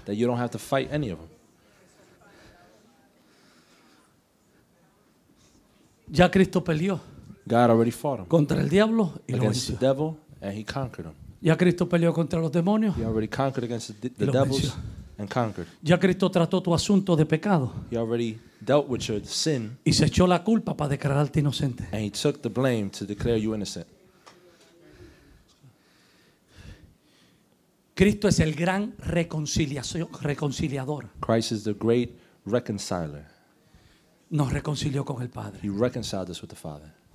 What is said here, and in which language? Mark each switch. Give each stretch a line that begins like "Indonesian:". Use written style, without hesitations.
English: That you don't have to fight any of them.
Spanish: Ya Cristo peleó.
English: God already fought him.
Spanish: Contra el diablo y lo venció.
English: Against the devil and he conquered him.
Spanish: Ya Cristo peleó contra los demonios.
English: He already conquered against the devils and conquered.
Spanish: Ya Cristo trató tu asunto de pecado.
English: He already dealt with your sin.
Spanish: Y se echó la culpa para declararte inocente.
English: And he took the blame to declare you innocent.
Spanish: Cristo es el gran reconciliador.
English: Christ is the great reconciler.
Spanish: Nos reconcilió con el Padre.
English: He reconciled us with the Father.